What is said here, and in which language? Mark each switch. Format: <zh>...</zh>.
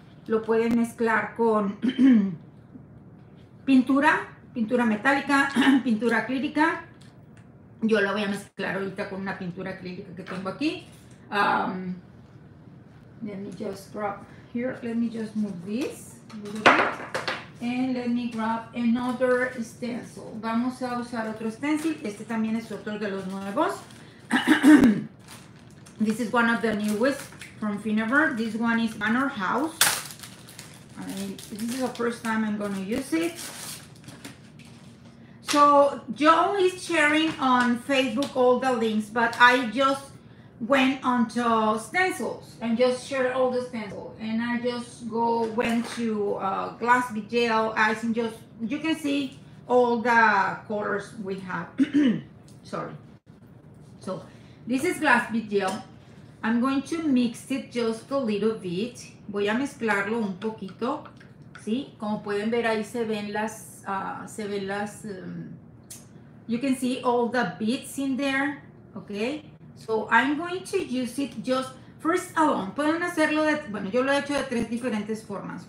<es>Lo pueden mezclar con pintura metálica, pintura acrílica. Yo lo voy a mezclar ahorita con una pintura acrílica que tengo aquí.</es> <en>Let me just grab here. Let me just move this a little bit. And let me grab another stencil.</en> <es>Vamos a usar otro stencil. Este también es otro de los nuevos.</es> <en>This is one of the newest from Finever. This one is Manor House. This is the first time I'm going to use it. So Joe is sharing on Facebook all the links, but I just went onto stencils and just shared all the stencils. And I just went to glass detail. I think just, you can see all the colors we have. Sorry. So this is glass detail. I'm going to mix it just a little bit.</en> <es>Voy a mezclarlo un poquito, ¿sí? Como pueden ver, ahí</es> <en>you can see all the bits in there, okay? So I'm going to use it just first alone.</en> <es>Pueden hacerlo de, bueno, yo lo he hecho de tres diferentes formas.</es>